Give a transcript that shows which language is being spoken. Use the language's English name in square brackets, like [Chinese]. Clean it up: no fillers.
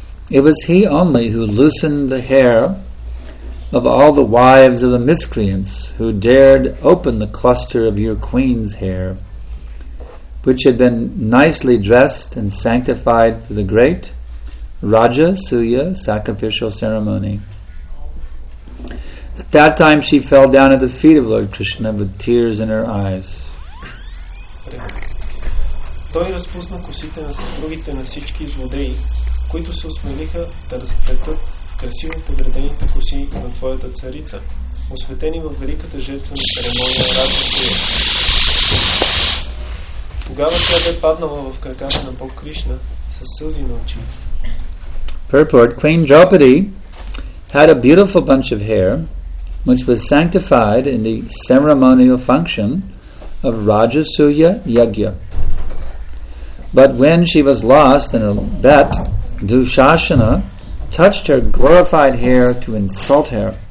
[English] It was he only who loosened the hair of all the wives of the miscreants who dared open the cluster of your queen's hair, which had been nicely dressed and sanctified for the great Raja Suya sacrificial ceremony. At that time she fell down at the feet of Lord Krishna with tears in her eyes. [Bulgarian] Той разпусна косите на съпругите на всички злодеи, които се осмелиха да разплетат красиво подредените коси на твоята царица, осветени в великата жертвена церемония Раджа Суя. Тогава тя бе паднала в краката на Бог Кришна със сълзи на очи. [English] Purport, Queen Draupadi had a beautiful bunch of hair which was sanctified in the ceremonial function of Raja Suya Yajna. But when she was lost in a bet, Dushasana touched her glorified hair to insult her.